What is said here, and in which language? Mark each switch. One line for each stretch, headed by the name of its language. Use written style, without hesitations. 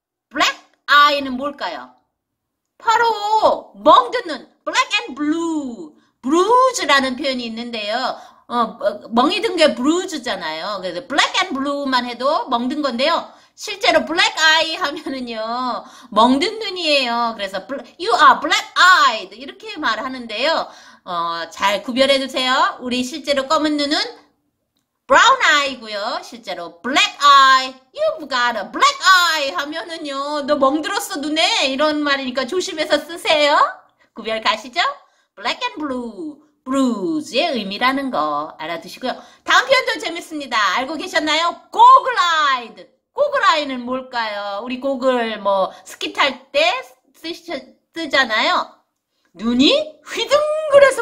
Korean: 블랙 아이는 뭘까요? 바로 멍든 눈. 블랙 앤 블루. 브루즈라는 표현이 있는데요. 멍이 든 게 브루즈잖아요. 그래서 블랙 앤 블루만 해도 멍든 건데요. 실제로 블랙 아이 하면은요. 멍든 눈이에요. 그래서
English: you are black eyed
Korean: 이렇게 말하는데요. 잘 구별해 두세요. 우리 실제로 검은 눈은 브라운 아이고요. 실제로 블랙 아이.
English: You've got a black eye
Korean: 하면은요. 너 멍들었어 눈에. 이런 말이니까 조심해서 쓰세요. 구별 가시죠?
English: Black and blue, bruise
Korean: 의 의미라는 거 알아두시고요. 다음 표현도 재밌습니다. 알고 계셨나요?
English: Goggle eyed.
Korean: Goggle eye는 뭘까요? 우리 고글 뭐 스키 탈 때 쓰잖아요. 눈이 휘둥그레서